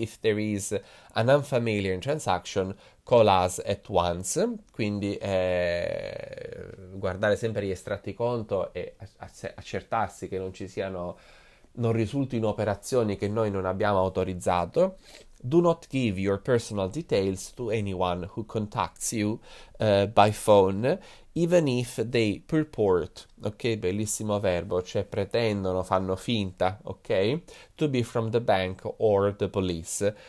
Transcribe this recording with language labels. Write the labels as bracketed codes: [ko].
[en] If there is an unfamiliar transaction, call us at once. [it] Quindi guardare sempre gli estratti conto e accertarsi che non risultino operazioni che noi non abbiamo autorizzato. [en] Do not give your personal details to anyone who contacts you by phone, even if they purport, ok, [it] bellissimo verbo, cioè pretendono, fanno finta, [en] ok, to be from the bank or the police.